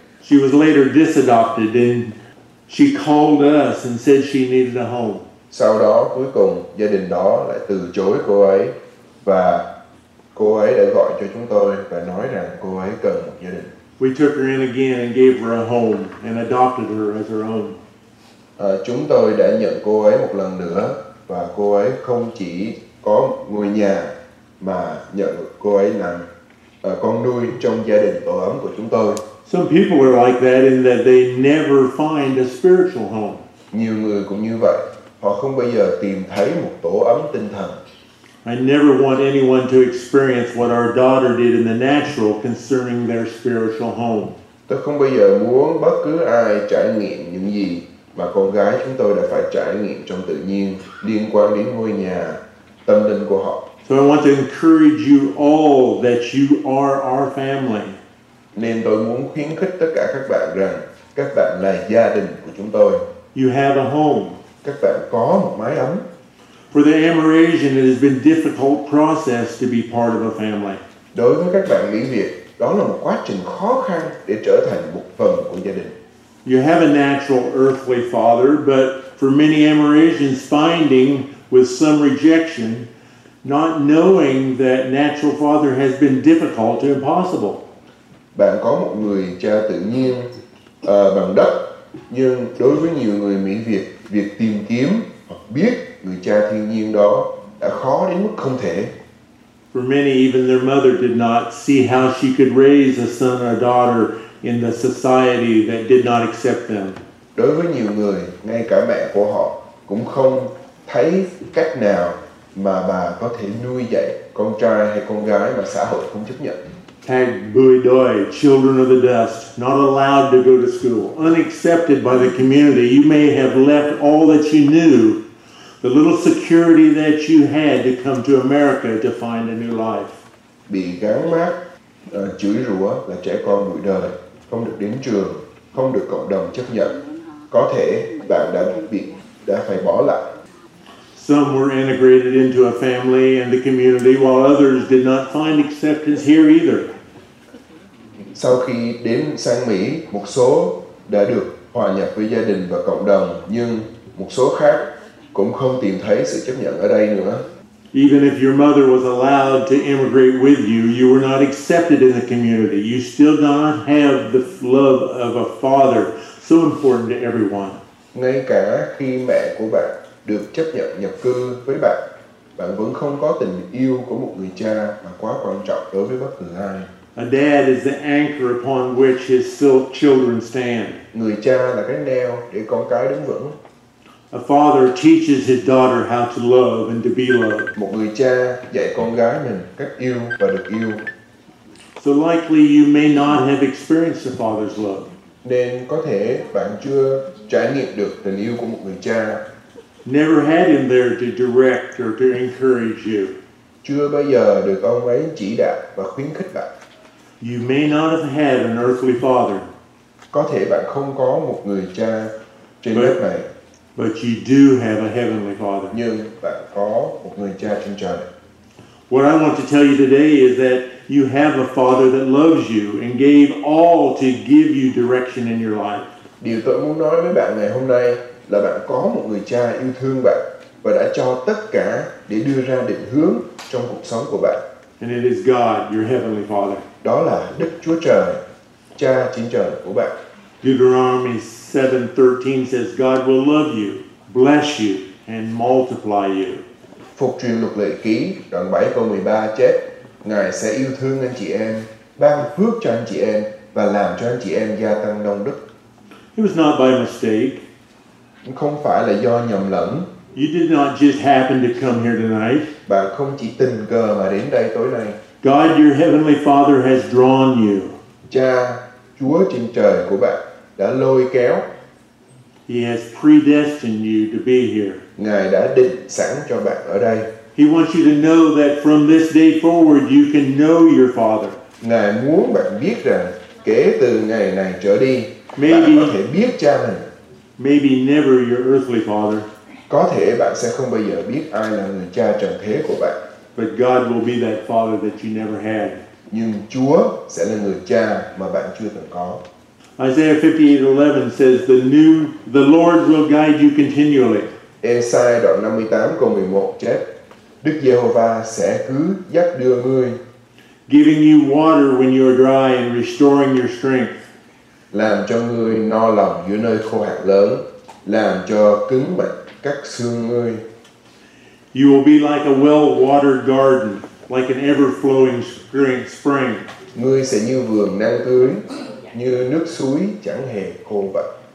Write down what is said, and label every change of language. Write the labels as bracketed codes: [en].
[en] She was later disadopted and she called us and said she needed a home. [vi] Sau đó cuối cùng gia đình đó lại từ chối cô ấy và cô ấy đã gọi cho chúng tôi và nói rằng cô ấy cần một gia đình. [en] We took her in again and gave her a home and adopted her as our own. [vi] Chúng tôi đã nhận cô ấy một lần nữa và cô ấy không chỉ có ngôi nhà mà nhận cô ấy làm con nuôi trong gia đình tổ ấm của chúng tôi. [en] Some people are like that in that they never find a spiritual home. [vi] Nhiều người cũng như vậy, họ không bao giờ tìm thấy một tổ ấm tinh thần. [en] I never want anyone to experience what our daughter did in the natural concerning their spiritual home. [vi] Tôi không bao giờ muốn bất cứ ai trải nghiệm những gì mà con gái chúng tôi đã phải trải nghiệm trong tự nhiên liên quan đến ngôi nhà tâm linh của họ. [en] So I want to encourage you all that you are our family. [vi] Nên tôi muốn khuyến khích tất cả các bạn rằng các bạn là gia đình của chúng tôi. [en] You have a home. [vi] Các bạn có một mái ấm. [en] For the Amerasian, it has been a difficult process to be part of a family. [vi] Đối với các bạn Mỹ Việt, đó là một quá trình khó khăn để trở thành một phần của gia đình. [en] You have a natural earthly father, but for many Amerasians, finding with some rejection, not knowing that natural father has been difficult to impossible. [vi] Bạn có một người cha tự nhiên bằng đất, nhưng đối với nhiều người Mỹ Việt, việc tìm kiếm hoặc biết người cha thiên nhiên đó đã khó đến mức không thể. [en] For many, even their mother did not see how she could raise a son or a daughter in the society that did not accept them. [vi] Đối với nhiều người, ngay cả mẹ của họ cũng không thấy cách nào mà bà có thể nuôi dạy con trai hay con gái mà xã hội không chấp nhận. [en] Tag [vi] bùi đôi, [en] children of the dust, not allowed to go to school, unaccepted by the community. You may have left all that you knew, the little security that you had to come to America to find a new life. [vi] Bị gán mác, chửi rủa là trẻ con bụi đời, không được đến trường, không được cộng đồng chấp nhận. Có thể bạn đã phải bỏ lại. [en] Some were integrated into a family and the community, while others did not find acceptance here either. [vi] Sau khi đến sang Mỹ, một số đã được hòa nhập với gia đình và cộng đồng, nhưng một số khác cũng không tìm thấy sự chấp nhận ở đây nữa. [en] Even if your mother was allowed to immigrate with you, you were not accepted in the community. You still not have the love of a father, so important to everyone. [vi] Ngay cả khi mẹ của bạn được chấp nhận nhập cư với bạn, bạn vẫn không có tình yêu của một người cha mà quá quan trọng đối với bất cứ ai. [en] A dad is the anchor upon which his silk children stand. [vi] Người cha là cái neo để con cái đứng vững. [en] A father teaches his daughter how to love and to be loved. [vi] Một người cha dạy con gái mình cách yêu và được yêu. [en] So likely you may not have experienced a father's love. [vi] Nên có thể bạn chưa trải nghiệm được tình yêu của một người cha. [en] Never had him there to direct or to encourage you. [vi] Chưa bao giờ được ông ấy chỉ đạo và khuyến khích bạn. [en] You may not have had an earthly father. [vi] Có thể bạn không có một người cha trên đất này. [en] But you do have a heavenly father. [vi] Nhưng bạn có một người cha trên trời. [en] What I want to tell you today is that you have a father that loves you and gave all to give you direction in your life. [vi] Điều tôi muốn nói với bạn ngày hôm nay là bạn có một người cha yêu thương bạn và đã cho tất cả để đưa ra định hướng trong cuộc sống của bạn. [en] And it is God, your heavenly father. [vi] Đó là Đức Chúa Trời, Cha chính trời của bạn. [en] Deuteronomy 7:13 says God will love you, bless you and multiply you. [vi] Phục truyền luật lệ ký đoạn 7 câu 13 chép: Ngài sẽ yêu thương anh chị em, ban phước cho anh chị em và làm cho anh chị em gia tăng đông đức. [en] It was not by mistake. [vi] Không phải là do nhầm lẫn. [en] You did not just happen to come here tonight. [vi] Bạn không chỉ tình cờ mà đến đây tối nay. [en] God, your heavenly Father has drawn you. [vi] Cha, Chúa trên trời của bạn đã lôi kéo. [en] He has predestined you to be here. [vi] Ngài đã định sẵn cho bạn ở đây. [en] He wants you to know that from this day forward you can know your Father. [vi] Ngài muốn bạn biết rằng kể từ ngày này trở đi, bạn có thể biết cha mình. [en] Maybe never your earthly father. [vi] Có thể bạn sẽ không bao giờ biết ai là người cha trần thế của bạn. [en] But God will be that father that you never had. [vi] Nhưng Chúa sẽ là người cha mà bạn chưa từng có. [en] Isaiah 58:11 says the Lord will guide you continually. [vi] Esai đoạn 58 câu 11 chép: Đức Giê-hô-va sẽ cứ dắt đưa ngươi. [en] Giving you water when you are dry and restoring your strength. [vi] Làm cho ngươi no lòng giữa nơi khô hạn lớn, làm cho cứng mạnh các xương ngươi. [en] You will be like a well-watered garden, like an ever-flowing spring. [vi] Ngươi sẽ như vườn năng tưới, như nước suối chẳng hề khô vậy.